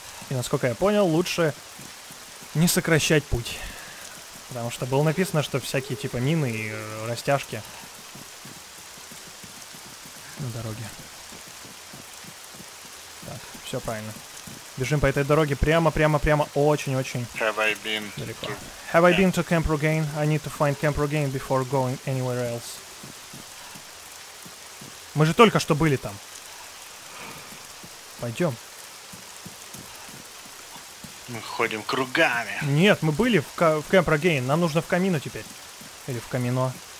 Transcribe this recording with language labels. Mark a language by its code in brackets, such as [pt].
[ru] И насколько я понял, лучше не сокращать путь. Потому что было написано, что всякие типа мины и растяжки на дороге. Так, все правильно. Бежим по этой дороге прямо очень-очень далеко. [en] Have I been to Camp Rogaine? I need to find Camp Rogaine before going anywhere else. [ru] Мы же только что были там. Пойдем. Мы ходим кругами. Нет, мы были в Camp Rogaine. Нам нужно в камино теперь. Или в камино.